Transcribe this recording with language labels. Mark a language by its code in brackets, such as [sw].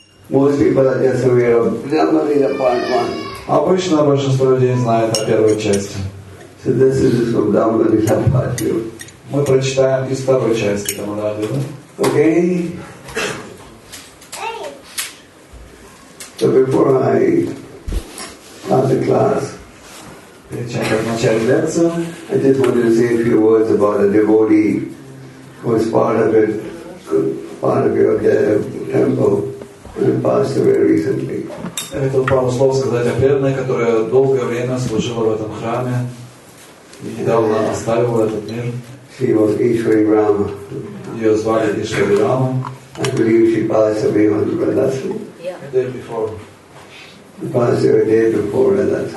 [en] Most people are just aware of Damodar Lila part 1. [ru] Обычно большинство людей знает о первой части. [en] So this is from Damodar Lila part 2. [ru] Мы прочитаем из второй части Damodar Lila. [en] Okay. So before I start the class, I just wanted to say a few words about a devotee who was part of your temple and passed away recently. [ru] Я хотел пару слов сказать о преданной, которая долгое время служила в этом храме и недавно оставила этот мир. [en] She was Ishwari Rama. [ru] Ее звали Ishwari Rama. [en] I believe she passed away on Radhashtami. Yeah. The day before. The day before Radhashtami.